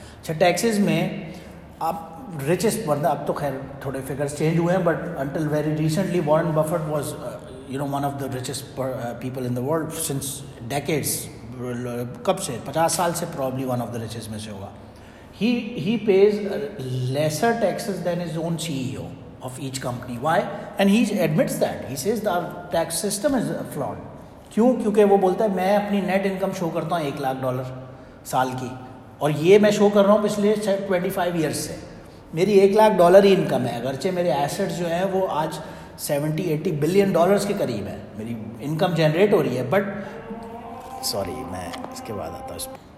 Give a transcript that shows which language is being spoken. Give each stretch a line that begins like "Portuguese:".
Urdu: اچھا ٹیکسز میں آپ رچسٹ پردہ, اب تو خیر تھوڑے فگرس چینج ہوئے ہیں
English: but until very recently Warren Buffett was you know one of the richest people in the world since decades,
Urdu: کب سے 50 سال سے
English: Probably one of the richest میں سے ہوگا. He pays lesser taxes than his own CEO of each company. Why? And he admits that. He says our tax system is flawed.
Urdu: کیوں؟ کیونکہ وہ بولتا ہے میں اپنی نیٹ انکم شو کرتا ہوں $1,00,000 سال کی اور یہ میں شو کر رہا ہوں پچھلے
English: 25 years
Urdu: سے. میری $1,00,000 ہی انکم ہے, اگرچہ میرے ایسٹس جو ہیں وہ آج 70-80
English: billion dollars
Urdu: کے قریب ہے, میری انکم جنریٹ ہو رہی ہے بٹ سوری میں اس کے بعد آتا ہوں اس پہ.